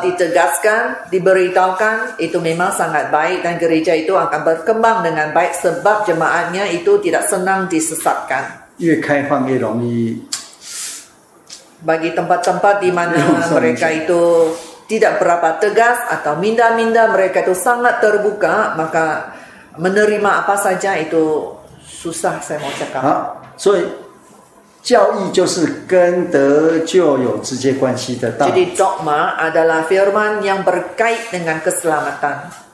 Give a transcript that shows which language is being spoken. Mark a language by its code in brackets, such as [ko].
[ms] ditegaskan, diberitahukan, itu memang sangat baik dan gereja itu akan berkembang dengan baik sebab jemaatnya itu tidak senang disesatkan. [zh] 越开放越容易 [ms] bagi tempat-tempat di mana mereka itu tidak berapa tegas atau minda-minda mereka itu sangat terbuka, maka menerima apa saja itu. Susah saya mau cakap. [zh] 好，所以教义就是跟得救有直接关系的道。 [ms] Jadi dogma adalah firman yang berkait dengan keselamatan.